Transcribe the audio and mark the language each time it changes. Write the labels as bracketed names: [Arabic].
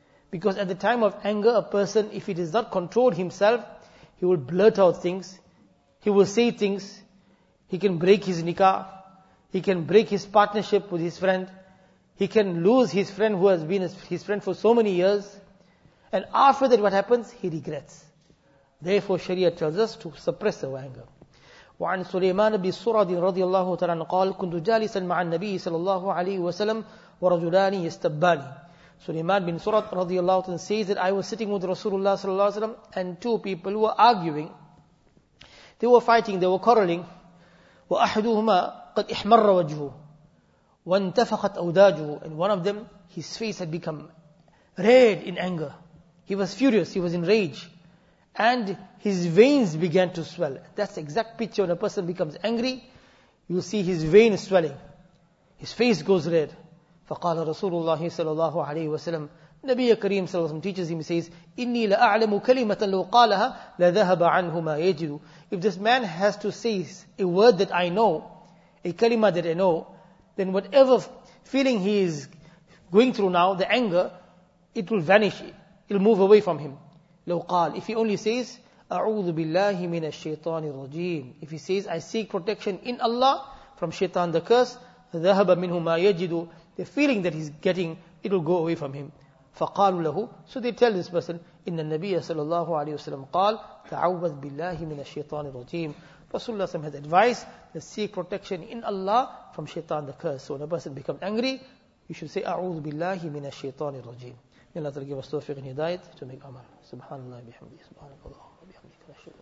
[English] Because at the time of anger, a person, if he does not control himself, he will blurt out things, he will say things, he can break his nikah, he can break his partnership with his friend, he can lose his friend who has been his friend for so many years. And after that, what happens? He regrets. Therefore, Sharia tells us to suppress our anger. [Arabic] وعن سليمان بن سرد رضي الله تعالى قال كنت جالسا مع النبي صلى الله عليه وسلم ورجلان يستبان. [English] سليمان بن سرد رضي الله تعالى says that I was sitting with Rasulullah صلى الله عليه وسلم and two people were arguing. They were fighting, they were quarreling. [Arabic] وأحدهما قد احمر وجهه وانتفخت أوداجه. [English] And one of them, his face had become red in anger. He was furious, he was enraged. And his veins began to swell. That's the exact picture. When a person becomes angry, you see his veins swelling. His face goes red. [Arabic] فَقَالَ رَسُولُ اللَّهِ صَلَى اللَّهُ عَلَيْهِ وَسَلَمُ. نَبِيَ كَرِيمُ صَلَى اللَّهُ عَلَيْهِ [English] teaches him, he says, [Arabic] إِنِّي لَأَعْلَمُ كَلِمَةً لَوْ قَالَهَا لَذَهَبَ عَنْهُ مَا يَجِدُ. [English] If this man has to say a word that I know, a kalima that I know, then whatever feeling he is going through now, the anger, it will vanish. It will move away from him. [Arabic] لو قال, [English] if he only says, [Arabic] أعوذ بالله من الشيطان الرجيم. [English] If he says, I seek protection in Allah from shaitan the curse, [Arabic] ذهب منه ما يجد. [English] The feeling that he's getting, it will go away from him. [Arabic] فقالوا له. [English] So they tell this person, [Arabic] إن النبي صلى الله عليه وسلم قال تعوذ بالله من الشيطان الرجيم. [English] Rasulullah has advice that seek protection in Allah from shaitan, the curse. So when a person becomes angry, you should say [Arabic] أعوذ بالله من الشيطان الرجيم. [English] May Allah give us tawfiq and hidayat to make amal. [Arabic] سبحان الله بحمده سبحان الله بحمده.